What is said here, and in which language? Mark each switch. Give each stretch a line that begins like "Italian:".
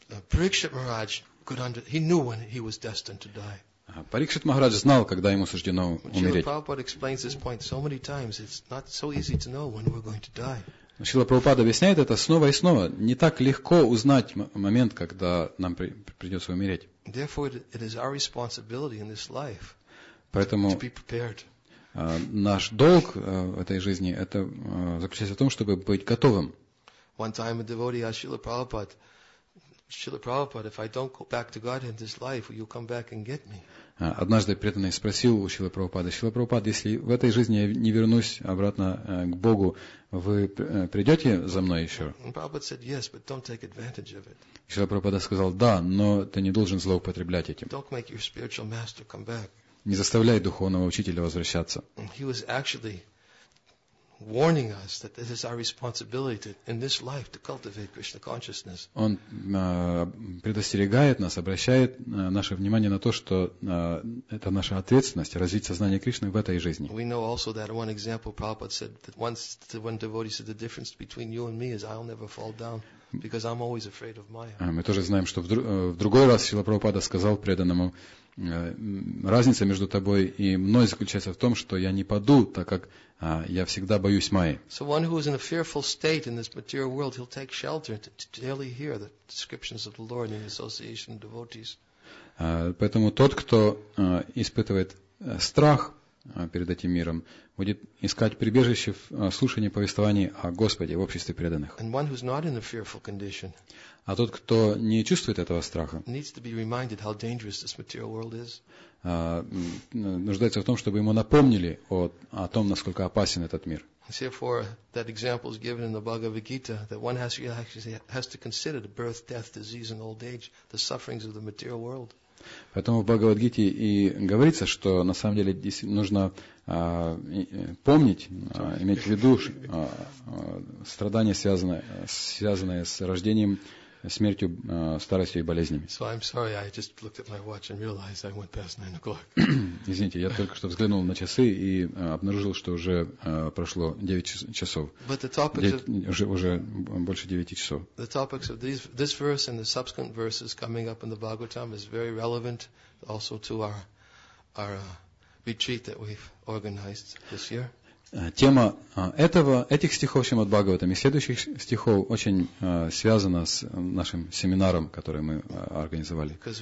English: Парикшит Махарадж knew when he was destined to die.
Russian: Парикшит Махарадж знал, когда ему суждено умереть.
English: Śrīla Prabhupāda explains this point so many times. It's not so easy to know when we're going to die.
Russian: Шрила Прабхупада объясняет это снова и снова. Не так легко узнать момент, когда нам придется умереть.
English: Therefore, it is our responsibility in this life.
Russian: Поэтому наш долг в этой жизни это заключается в том, чтобы быть готовым.
English: One time a devotee asked Srila Prabhupada, Srila Prabhupada, if I don't go back to God in this life, will you come back and get me?
Russian: Однажды преданный спросил у Шрилы Прабхупады, Шрила Прабхупада, если в этой жизни я не вернусь обратно к Богу, вы придете за мной еще? Шрила Прабхупада сказал, да, но ты не должен злоупотреблять этим.
English: Don't make your spiritual master come back.
Russian: Не заставляй духовного учителя возвращаться.
English: He was actually warning us that this is our responsibility to, in this life to cultivate Krishna consciousness.
Russian: Он предостерегает нас, обращает наше внимание на то, что это наша ответственность развить сознание Кришны в этой жизни.
English: We know also that one example Prabhupada said that once the one devotee said the difference between you and me is I'll never fall down because I'm always afraid of Maya.
Russian: Мы тоже знаем, что в другой раз Шрила Прабхупада сказал преданному: разница между тобой и мной заключается в том, что я не паду, так как я всегда боюсь Майи.
English: So one who is in a fearful state in this material world, he'll take shelter to daily hear the descriptions of the Lord in association with devotees.
Russian: Поэтому тот, кто испытывает страх перед этим миром, будет искать прибежище в слушании повествований о Господе в обществе преданных.
English: And one who's not in a fearful condition,
Russian: а тот, кто не чувствует этого страха,
English: needs to be reminded how dangerous this material world is.
Russian: Нуждается в том, чтобы ему напомнили о том, насколько опасен этот мир.
English: Therefore, that example is given in the Bhagavad Gita that one has to consider the birth, death, disease, and old age, the sufferings of the material world.
Russian: Поэтому в Бхагавад-гите и говорится, что на самом деле нужно помнить, иметь в виду страдания, связанные с рождением, смертью, старостью и болезнями.
English: So I'm sorry, I just looked at my watch and realized I went past 9 o'clock.
Russian: Извините, я только что взглянул на часы и обнаружил, что уже прошло 9 часов.
English: But the topics
Russian: 9, уже больше 9 часов.
English: The topics of this verse and the subsequent verses coming up in the Bhagavatam is very relevant also to our retreat that we've organized this year.
Russian: Тема этих стихов Шримад-Бхагаватам и следующих стихов очень связана с нашим семинаром, который мы организовали.